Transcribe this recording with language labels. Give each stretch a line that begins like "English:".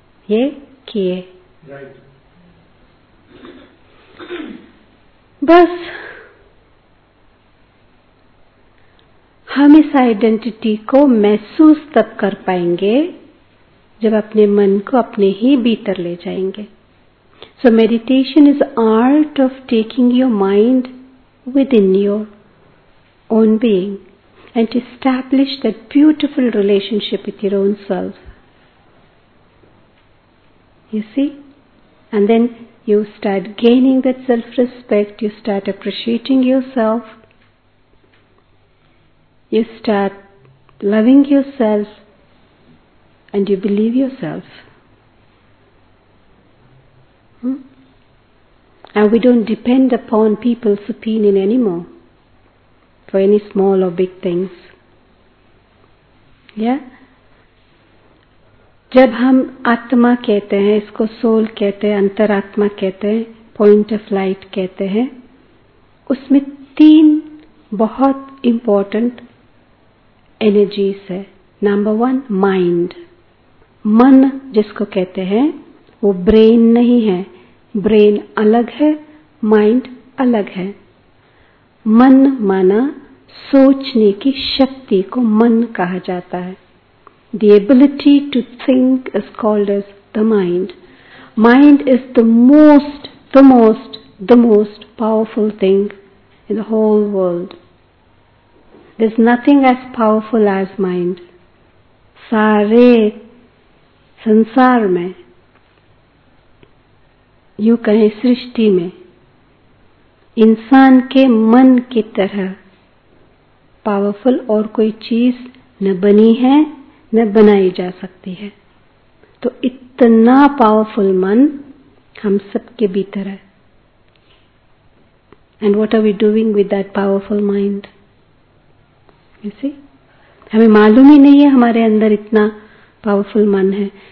Hindi: ये किए बस हम इस आइडेंटिटी को महसूस तब कर पाएंगे जब अपने मन को अपने ही भीतर ले जाएंगे.
English: So meditation is art of taking your mind within your own being and to establish that beautiful relationship with your own self, you see. And then you start gaining that self-respect, you start appreciating yourself, you start loving yourself, and you believe yourself. And we don't depend upon people's opinion anymore for any small or big things. Yeah?
Hindi: जब हम आत्मा कहते हैं, इसको soul कहते हैं, अंतरात्मा कहते हैं, पॉइंट ऑफ लाइट कहते हैं, उसमें तीन बहुत इंपॉर्टेंट एनर्जीज है। नंबर वन माइंड, मन जिसको कहते हैं, वो ब्रेन नहीं है, ब्रेन अलग है, माइंड अलग है। मन माना सोचने की शक्ति को मन कहा जाता है।
English: The ability to think is called as the mind. Mind is the most powerful thing in the whole world. There's nothing as powerful as mind.
Hindi: Sare sansar mein, yun kahe srishti mein, insaan ke man ki tarah powerful aur koi cheez na bani hai, न बनाई जा सकती है। तो इतना powerful मन हम सबके भीतर है।
English: And what are we doing with that powerful mind? You see,
Hindi: हमें मालूम ही नहीं है हमारे अंदर इतना पावरफुल मन है।